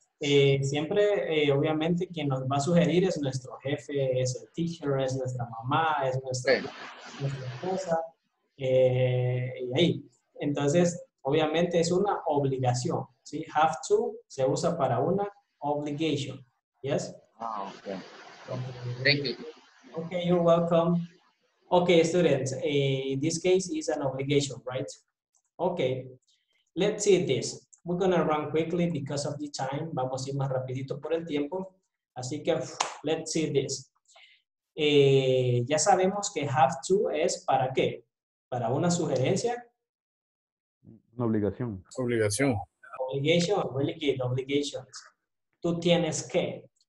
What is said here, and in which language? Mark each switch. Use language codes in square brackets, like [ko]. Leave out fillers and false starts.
[es] Siempre, obviamente, quien nos va a sugerir es nuestro jefe, es el teacher, es nuestra mamá, es nuestra... Okay. Y ahí. Entonces, obviamente es una obligación, ¿sí? Have to se usa para una obligation, ¿yes? Ah, [en] okay. Okay, you're welcome. Okay, students, in this case is an obligation, right? Okay, let's see this. We're gonna run quickly because of the time. [es] Vamos a ir más rapidito por el tiempo. Así que, [en] let's see this. [es] Ya sabemos que have to es ¿para qué? ¿Para una sugerencia? Una obligación. Obligación. [en] Obligation, really good, obligations. [es] Tú tienes que.